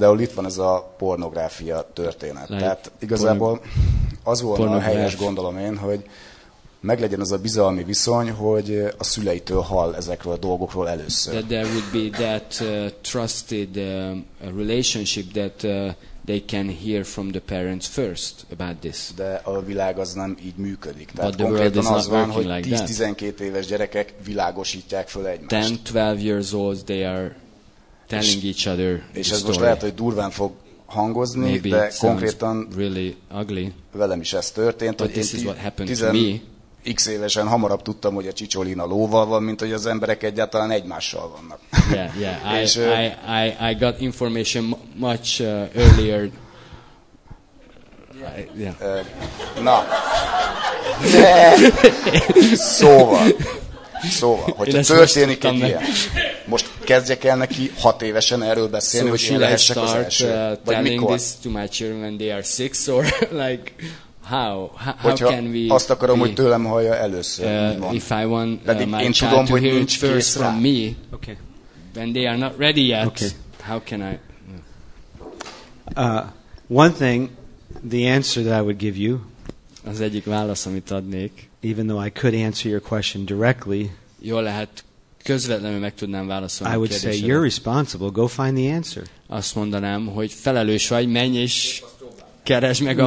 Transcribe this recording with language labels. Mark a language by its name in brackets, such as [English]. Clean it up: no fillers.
[Hungarian] például itt van ez a pornográfia történet. [English] Like [Hungarian] tehát igazából az volna a helyes gondolom én, hogy meglegyen az a bizalmi viszony, hogy a szüleitől hall ezekről a dolgokról először. [English] That there would be that trusted relationship that they can hear from the parents first about this. [Hungarian] De a világ az nem így működik. Tehát konkrétan az van, hogy 10-12 éves gyerekek világosítják föl egymást. [English] 10-12 years old, they are telling each other this story. [Hungarian] És ez most lehet, hogy durván fog hangozni, de konkrétan [English] really ugly. [Hungarian] Velem is ez történt, [English] but [Hungarian] hogy [English] this is what happened to me. [Hungarian] X évesen hamarabb tudtam, hogy a csicsolina lóval van, mint hogy az emberek egyáltalán egymással vannak. [English] Yeah, yeah. I got information much earlier. [Hungarian] Na. De. Szóval, hogyha történik egy ilyen, most kezdjek el neki 6 évesen erről beszélni, [English] so [Hungarian] hogy én lehessek az első. Vagy mikor? [English] This to my children when they are six or like how can we? [Hungarian] Azt akarom, hogy tőlem hallja először. [English] If I want my child to hear it first from me, okay. When they are not ready yet, okay. How can I? One thing, the answer that I would give you. [Hungarian] Az egyik válasz, amit adnék. [English] Even though I could answer your question directly, [Hungarian] jó lehet közvetlenül meg tudnám válaszolni a kérdésedet. [English] I would say you're responsible. Go find the answer. [Hungarian] Azt mondanám, hogy felelős vagy, menj és keresd meg a